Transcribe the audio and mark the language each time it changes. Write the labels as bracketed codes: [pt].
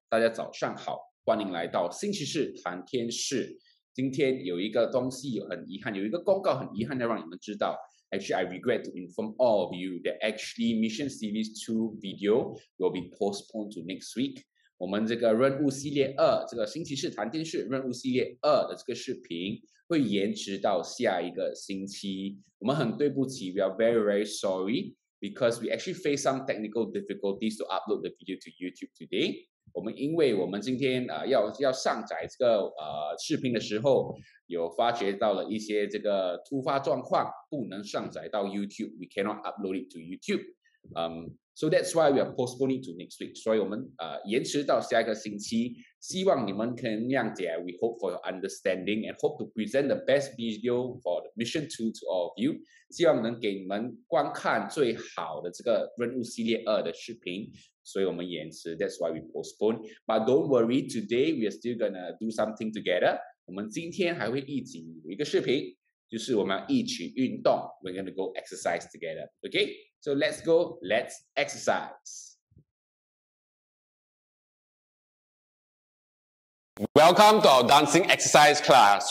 [zh] 大家早上好，欢迎来到星期四谈天室。今天有一个东西很遗憾，有一个公告很遗憾的让你们知道。 [en] Actually, I regret to inform all of you that actually Mission Series 2 video will be postponed to next week. [zh] 我们这个任务系列二，这个星期四谈天室任务系列二的这个视频会延迟到下一个星期。我们很对不起 ， we are very very sorry。 [en] Because we actually face some technical difficulties to upload the video to YouTube today. [zh] 我们因为我们今天、要上载这个、视频的时候有发觉到了一些这个突发状况，不能上载到 YouTube. [en] We cannot upload it to YouTube. So that's why we are postponing to next week. [zh] 所以我们、延迟到下一个星期，希望你们可以谅解。 [en] We hope for your understanding and hope to present the best video for the mission 2 to all of you. [zh] 希望能给你们观看最好的这个任务系列2的视频，所以我们延迟。 [en] That's why we postpone. But don't worry, today we are still gonna do something together. [zh] 我们今天还会一起有一个视频，就是我们要一起运动。 [en] We're gonna go exercise together. Okay, so let's go, let's exercise. Welcome to our dancing exercise class.